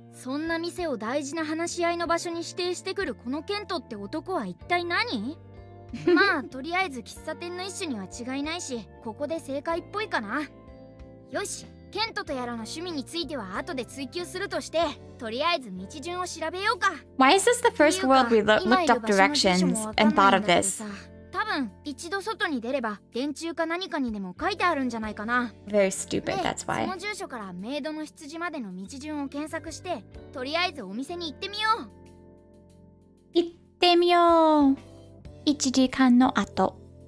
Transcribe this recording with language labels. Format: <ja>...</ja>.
<ja>そんな店を大事な話し合いの場所に指定してくるこのケントって男は一体何？まあとりあえず喫茶店の一種には違いないし、ここで正解っぽいかな。よし、ケントとやらの趣味については後で追求するとして、とりあえず道順を調べようか。</ja> <en>Why is this the first world we looked up directions and thought of this?</en> <ja>多分一度外に出れば電柱か何かにでも書いてあるんじゃないかな。</ja> <en>Very stupid, that's why.</en> <ja>その住所からメイドの羊までの道順を検索して、とりあえずお店に行ってみよう。行ってみよう。1時間の後。</ja>